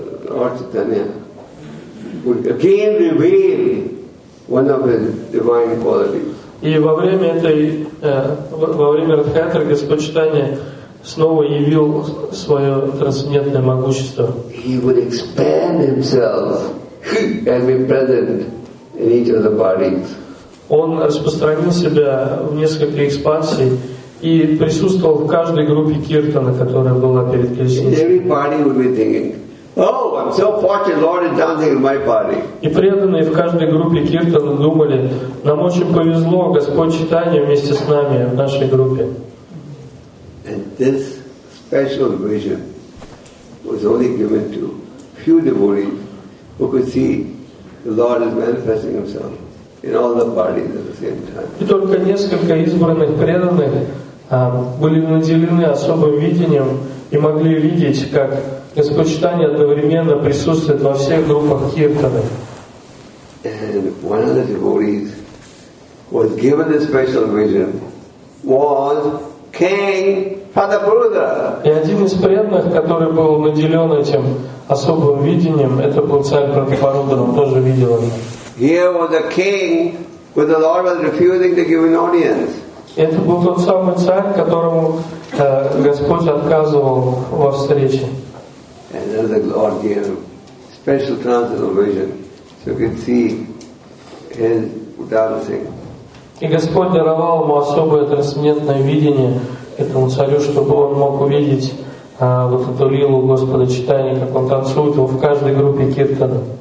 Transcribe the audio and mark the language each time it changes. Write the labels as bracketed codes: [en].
[en] Lord Chaitanya would again reveal one of his divine qualities. [ru] И во время этой Радхаятры Господь Чайтанья снова явил свое трансцендентное могущество. [en] He would expand himself and be present in each of the parties. [ru] Он распространил себя в несколько экспансий и присутствовал в каждой группе киртана, которая была перед колесницей. [en] Every party would be thinking, oh, I'm so fortunate, Lord is dancing in my party. [ru] И преданные в каждой группе киртана думали, нам очень повезло, Господь Чайтанья вместе с нами в нашей группе. [en] And this special vision was only given to few devotees who could see the Lord is manifesting himself in all the parties at the same time. [ru] И только несколько избранных преданных были наделены особым видением и могли видеть, как Господь Чайтанья одновременно присутствует во всех группах киртаны. [en] And one of the devotees who was given this special vision was King Padaprudra. [ru] И один из преданных, который был наделен этим особым видением, это был царь Прадхапарудра, он тоже видел это. [en] Here was a king who the Lord was refusing to give an audience. [ru] Это был тот самый царь, которому Господь отказывал во встрече. [en] And then the Lord gave him special transcendental vision. So you can see his Udara Singh. [ru] И Господь даровал ему особое трансцендентное видение этому царю, чтобы он мог увидеть вот эту лилу Господа Читания, как он танцует его в каждой группе киртана.